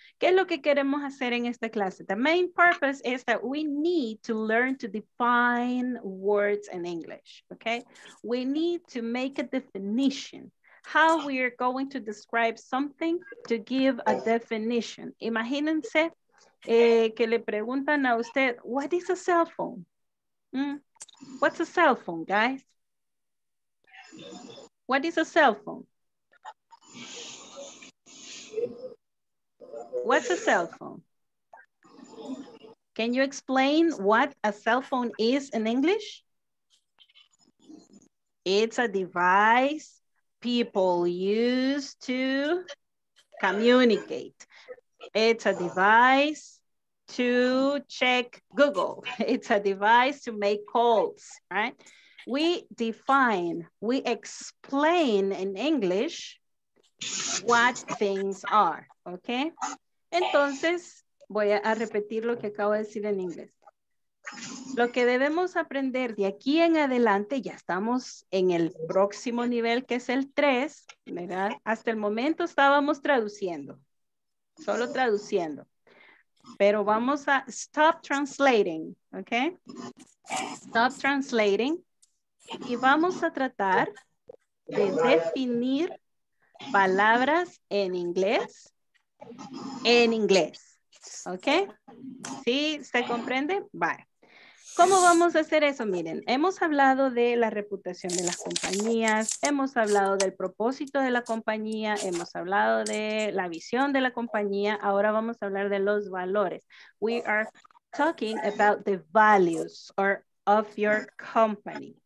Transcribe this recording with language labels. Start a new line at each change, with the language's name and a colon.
Spanish: ¿Qué es lo que queremos hacer en esta clase?
English: The main purpose is that we need to learn to define words in English, okay? We need to make a definition. How we are going to describe something to give a definition.
Spanish: Imagínense que le preguntan a usted,
English: what is a cell phone? What's a cell phone, guys? What is a cell phone? What's a cell phone? Can you explain what a cell phone is in English? It's a device people use to communicate. It's a device to check Google. It's a device to make calls, right? We define, we explain in English what things are, okay?
Spanish: Entonces, voy a repetir lo que acabo de decir en inglés. Lo que debemos aprender de aquí en adelante, ya estamos en el próximo nivel que es el 3, ¿verdad? Hasta el momento estábamos traduciendo, solo traduciendo. Pero vamos a
English: stop translating, okay? Stop translating.
Spanish: Y vamos a tratar de definir palabras en inglés, ¿ok? ¿Sí se comprende? Vale. ¿Cómo vamos a hacer eso? Miren, hemos hablado de la reputación de las compañías, hemos hablado del propósito de la compañía, hemos hablado de la visión de la compañía, ahora vamos a hablar de los valores.
English: We are talking about the values or of your company.